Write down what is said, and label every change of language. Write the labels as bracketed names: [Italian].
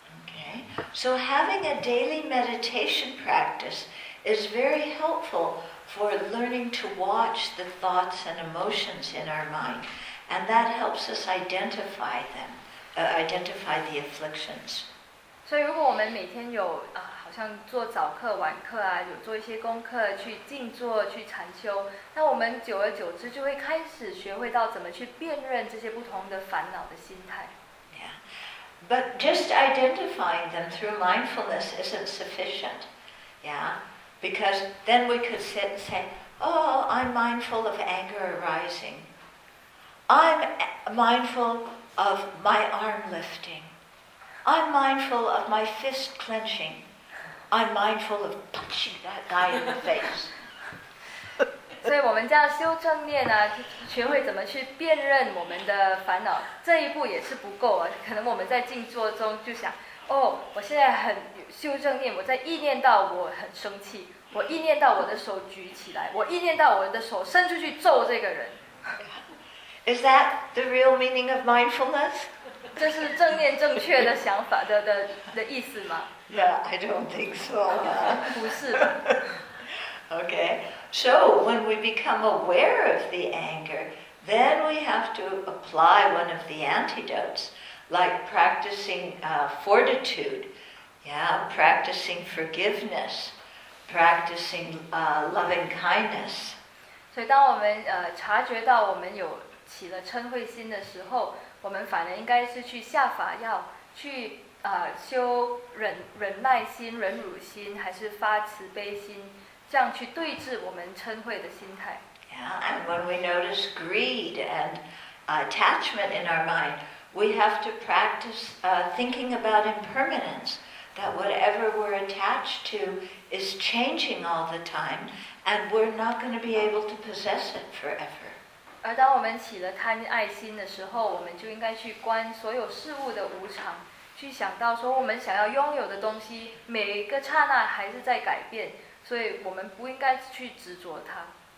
[English] Okay, so having a daily meditation practice is very helpful for learning to watch the thoughts and emotions in our mind, and that helps us identify them, identify the afflictions. [Chinese] 所以如果我们每天有好像做早课晚课啊，有做一些功课，去静坐去禅修，那我们久而久之就会开始学会到怎么去辨认这些不同的烦恼的心态。 [English] But just identifying them through mindfulness isn't sufficient, yeah? Because then we could sit and say, oh, I'm mindful of anger arising. I'm mindful of my arm lifting. I'm mindful of my fist clenching. I'm mindful of punching that guy in the face. [Chinese] 所以我们这样修正念啊，学会怎么去辨认我们的烦恼，这一步也是不够啊。可能我们在静坐中就想，哦，我现在很修正念，我在意念到我很生气，我意念到我的手举起来，我意念到我的手伸出去揍这个人。 [English] Is that the real meaning of mindfulness? [Chinese] 这是正念正确的想法的意思吗 [English] ？Yeah, I don't think so. [Chinese] 不是。 [English] Okay, so when we become aware of the anger, then we have to apply one of the antidotes, like practicing fortitude, yeah, practicing forgiveness, practicing loving kindness. [Chinese] 所以当我们察觉到我们有起了嗔恚心的时候，我们反而应该是去下法药，去修忍耐心、忍辱心，还是发慈悲心。这样去对治我们嗔恚的心态。 [English] Yeah, and when we notice greed and attachment in our mind, we have to practice thinking about impermanence, that whatever we're attached to is changing all the time, and we're not going to be able to possess it forever. [Chinese] 而当我们起了贪爱心的时候，我们就应该去观所有事物的无常，去想到说我们想要拥有的东西，每个刹那还是在改变。所以我们不应该去执着它。